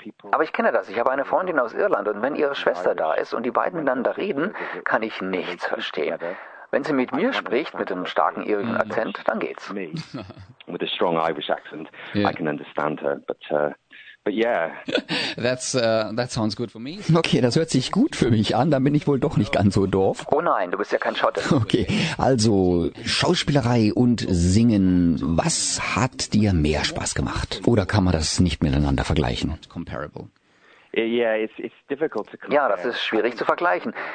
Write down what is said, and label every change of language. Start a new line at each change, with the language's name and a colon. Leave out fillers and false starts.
German: Aber ich kenne das. Ich habe eine Freundin aus Irland und wenn ihre Schwester da ist und die beiden miteinander reden, kann ich nichts verstehen. Wenn sie mit mir spricht, mit einem starken irischen Akzent, dann geht's.
English: With a strong Irish accent, yeah. I can understand her, but yeah. That sounds good for me.
German: Okay, das hört sich gut für mich an, dann bin ich wohl doch nicht ganz so doof. Oh nein, du bist ja kein Schotte. Okay, also Schauspielerei und Singen, was hat dir mehr Spaß gemacht? Oder kann man das nicht miteinander vergleichen? Ja, das ist schwierig zu vergleichen.